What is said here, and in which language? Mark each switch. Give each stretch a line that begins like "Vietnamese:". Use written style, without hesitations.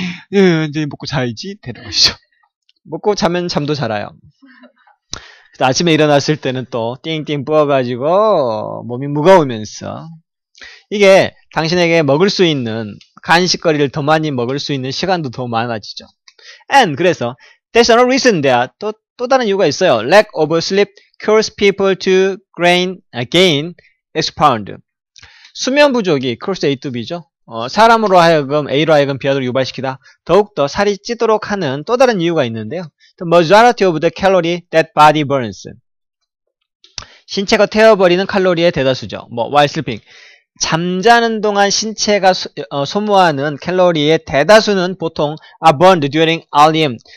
Korean: 이제 먹고 자야지 되는 것이죠. 먹고 자면 잠도 잘 와요. 아침에 일어났을 때는 또 띵띵 부어가지고 몸이 무거우면서 이게 당신에게 먹을 수 있는 간식거리를 더 많이 먹을 수 있는 시간도 더 많아지죠.
English: And
Korean: 그래서
English: there's another reason there.
Korean: 또 다른 이유가 있어요.
English: Lack of sleep cause people to gain expound.
Korean: 수면 부족이
English: cause A to B
Korean: 죠. 사람으로 하여금 A로 하여금 비하도를 유발시키다. 더욱더 살이 찌도록 하는 또 다른 이유가 있는데요.
English: The majority of the calorie that body burns.
Korean: 신체가 태워버리는 칼로리의 대다수죠. 뭐
English: while sleeping.
Korean: 잠자는 동안 신체가 소모하는 칼로리의 대다수는 보통
English: are burned during REM.